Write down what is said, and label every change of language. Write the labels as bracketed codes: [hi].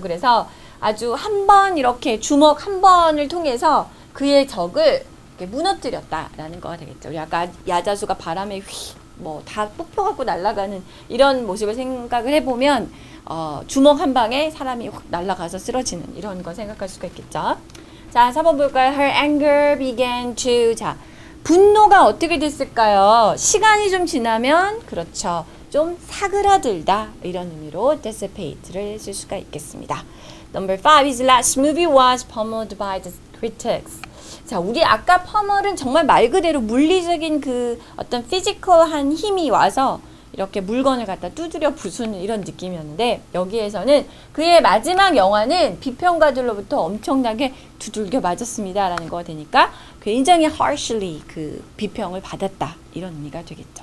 [ko] 그래서 아주 한번 이렇게 주먹 한 번을 통해서 그의 적을 이렇게 무너뜨렸다라는 거가 되겠죠. 우리 아까 야자수가 바람에 뭐 다 뽑혀갖고 날아가는 이런 모습을 생각을 해보면 주먹 한 방에 사람이 확 날아가서 쓰러지는 이런 거 생각할 수가 있겠죠. 자, 4번 볼까요? [en] Her anger began to... [ko] 자, 분노가 어떻게 됐을까요? 시간이 좀 지나면, 그렇죠. 좀 사그라들다 이런 의미로 dissipate를 쓸 수가 있겠습니다. [en] Number 5, his last movie was pummeled by the critics. [ko] 자, 우리 아까 pummel은 정말 말 그대로 물리적인 그 어떤 피지컬한 힘이 와서 이렇게 물건을 갖다 두드려 부수는 이런 느낌이었는데 여기에서는 그의 마지막 영화는 비평가들로부터 엄청나게 두들겨 맞았습니다 라는 거가 되니까 굉장히 harshly 그 비평을 받았다 이런 의미가 되겠죠.